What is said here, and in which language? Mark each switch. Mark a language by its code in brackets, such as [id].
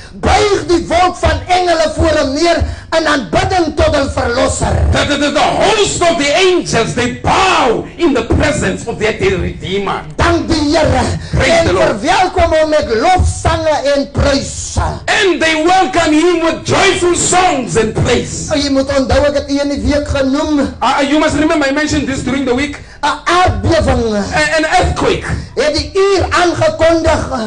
[af] Buig die wolk van engele voor hom neer in aanbidding tot hul verlosser. [en] The host of the angels, they bow in the presence of their dear Redeemer. [af] Dank die Here en verwelkom hom met lofsange en prys. [en] And they welcome him with joyful songs and praise. [af] Jy moet onthou ek het een week genoem. [en] You must remember I mentioned this during the week. An earthquake. [af] Het die uur aangekondig.